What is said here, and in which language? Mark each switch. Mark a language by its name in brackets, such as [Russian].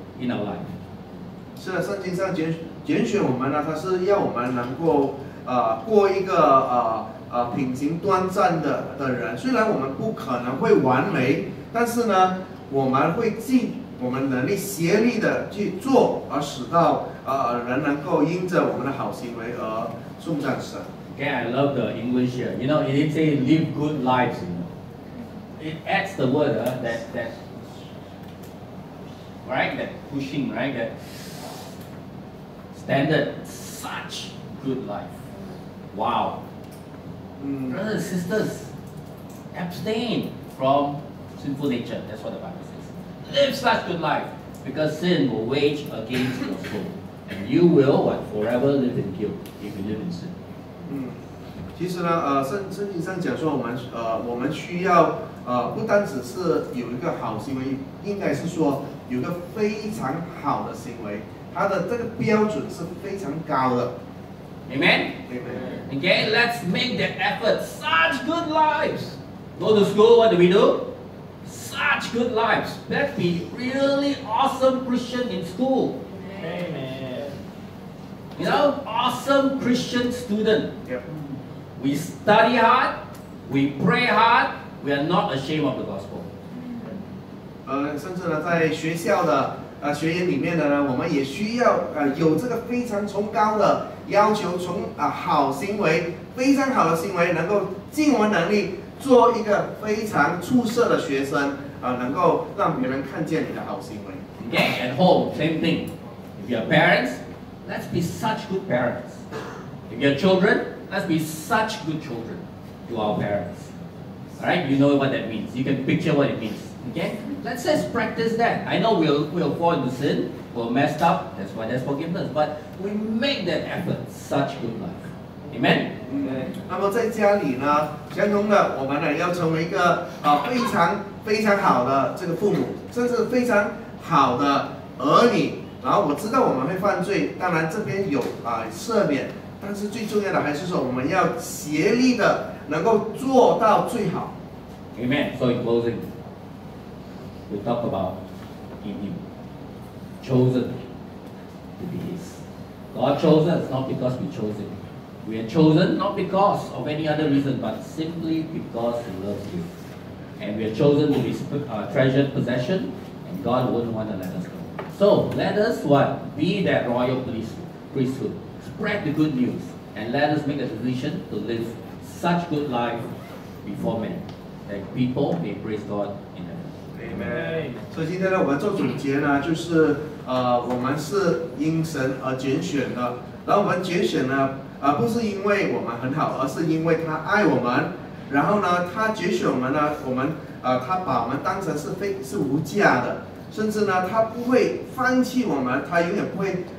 [English] In our life. [Chinese] 是的，圣经上拣选我们呢，它是要我们能够过一个品行端正的人。虽然我们不可能会完美，但是呢，我们会尽我们能力协力的去做，而使到人能够因着我们的好行为而颂赞神。 [English] Okay, I love the English here. You know, it is say live good lives. You know, it adds the word that. Right, that pushing, right, that standard, such good life. Wow. Brothers and sisters, abstain from sinful nature. That's what the Bible says. Live such good life, because sin will wage against your soul. And you will, what, forever live in guilt if you live in sin. [Chinese] 其实呢，圣经上讲说我们需要不单只是有一个好行为，应该是说有个非常好的行为，它的这个标准是非常高的。 [English] Amen. Amen. Okay, let's make that effort. Such good lives. Go to school. What do we do? Such good lives. Let's be really awesome Christian in school. Amen. You know, awesome Christian student. Yep. We study hard, we pray hard, we are not ashamed of the gospel. [Chinese] 甚至呢，在学校的学员里面的呢，我们也需要有这个非常崇高的要求，从好行为，非常好的行为，能够尽我们能力做一个非常出色的学生，能够让别人看见你的好行为。 [English] Yeah, at home, same thing. If you're parents, let's be such good parents. If you're children,Let's be such good children to our parents. All right, you know what that means. You can picture what it means. Okay, let's just practice that. I know we'll fall into sin, we'll mess up. That's why there's forgiveness. But we make that effort. Such good life. Amen. [Chinese] Okay. 那么在家里呢，相同的，我们呢要成为一个非常非常好的这个父母，甚至非常好的儿女。然后我知道我们会犯罪，当然这边有赦免。但是最重要的还是说，我们要竭力的能够做到最好。 [English] Amen. So in closing, we talk about in Him, chosen to be His. God chose us not because we chose Him. We are chosen not because of any other reason, but simply because He loves you. And we are chosen to be our treasured possession, and God wouldn't want to let us go. So let us what? Be that royal priesthood. Spread the good news and let us make a decision to live such good life before men that people may praise God in heaven. Amen. [Chinese] 所以今天呢，我们做总结呢，就是我们是因神而拣选的。然后我们拣选呢，不是因为我们很好，而是因为他爱我们。然后呢，他拣选我们呢，我们他把我们当成是无价的，甚至呢，他不会放弃我们，他永远不会。